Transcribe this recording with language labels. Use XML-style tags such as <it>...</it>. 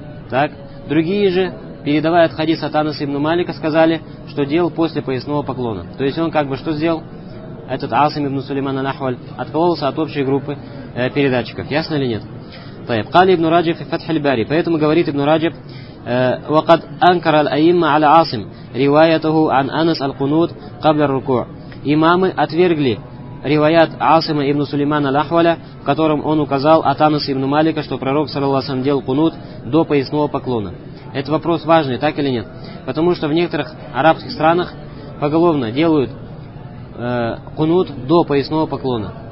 <ru>Так, другие же, передавая хадис от Анаса ибн Малика, сказали, что делал после поясного поклона. То есть он как бы что сделал? Этот Асим ибн Сулейман Аль-Ахваль откололся от общей группы передатчиков. Ясно или нет? Тайб. Кали ибн Раджиб и Фатх аль-Бари. Поэтому говорит ибн Раджиб,</ru> <ar>وَقَدْ أَنْكَرَ الْأَيِّمَّ عَلَى عَاصِمْ رِوَايَتَهُ عَنْ أَنَسْ الْقُنُوتْ قَبْلَ الرُّكُوعْ.</ar> <ru>Имамы отвергли риваят Асима ибн Сулеймана Аль-Ахваля, в котором он указал от Анаса ибн Малика, что пророк, саллаллаху алейхи ва саллям, делал кунут до поясного поклона. Это вопрос важный, так или нет? Потому что в некоторых арабских странах поголовно делают кунут до поясного поклона.</ru>